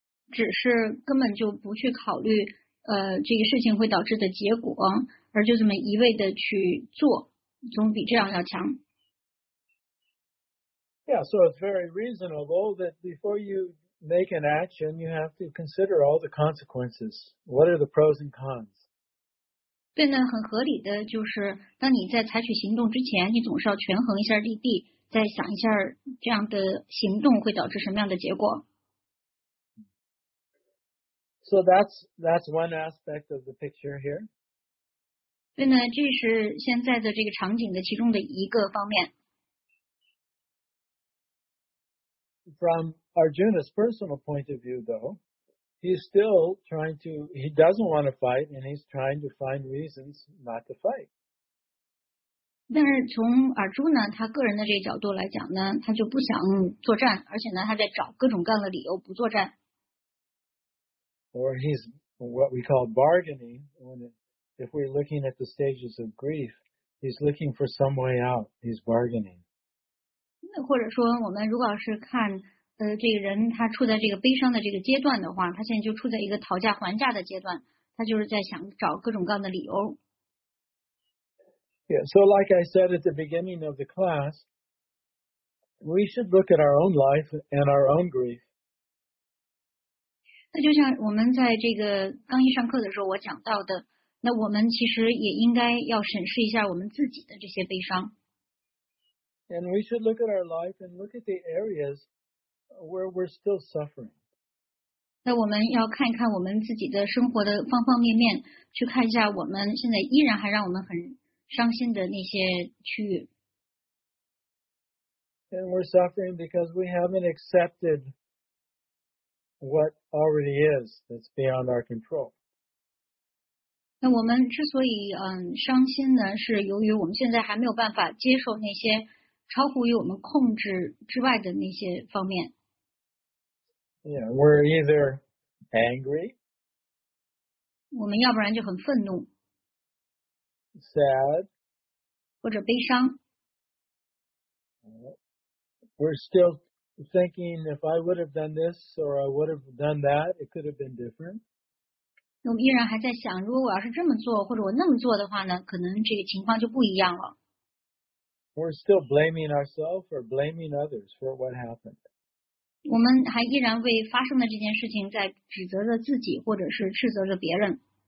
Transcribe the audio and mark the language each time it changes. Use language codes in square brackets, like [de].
[zh] 只是根本就不去考虑这个事情会导致的结果，而就这么一味的去做，总比这样要强。 [en] Yeah, so it's very reasonable that before you make an action, you have to consider all the consequences. What are the pros and cons? [zh] 对呢，很合理的就是，当你在采取行动之前，你总是要权衡一下利弊，再想一下这样的行动会导致什么样的结果。 [en] So that's one aspect of the picture here. [zh] 对呢，这是现在的这个场景的其中的一个方面。 [en] From Arjuna's personal point of view, though, he doesn't want to fight, and he's trying to find reasons not to fight. [zh] 但是从尔朱呢，他个人的这个角度来讲呢，他就不想作战，而且呢，他在找各种各样的理由不作战。 [en] Or he's what we call bargaining. If we're looking at the stages of grief, he's looking for some way out. He's bargaining. [zh] 或者说，我们如果要是看这个人他处在这个悲伤的这个阶段的话，他现在就处在一个讨价还价的阶段，他就是在想找各种各样的理由。 [en] Yeah, so like I said at the beginning of the class, we should look at our own life and our own grief. [zh] 那就像我们在这个刚一上课的时候我讲到的，那我们其实也应该要审视一下我们自己的这些悲伤。 [en] And we should look at our life and look at the areas where we're still suffering. [zh] 那我们要看一看我们自己的生活的方方面面，去看一下我们现在依然还让我们很伤心的那些区域。 [en] And we're suffering because we haven't accepted what already is that's beyond our control. [zh] 那我们之所以伤心呢，是由于我们现在还没有办法接受那些超乎于我们控制之外的那些方面。 [en] Yeah, we're either angry. [zh] 我们要不然就很愤怒。 [en] Sad. [zh] 或者悲伤。 [en] We're still thinking if I would have done this or I would have done that, it could have been different. [zh] 我们依然还在想，如果我要是这么做或者我那么做的话呢，可能这个情况就不一样了。 [en] We're still blaming ourselves or blaming others for what happened. [zh] 我们还依然为发生的这件事情在指责着自己或者是斥责着别人。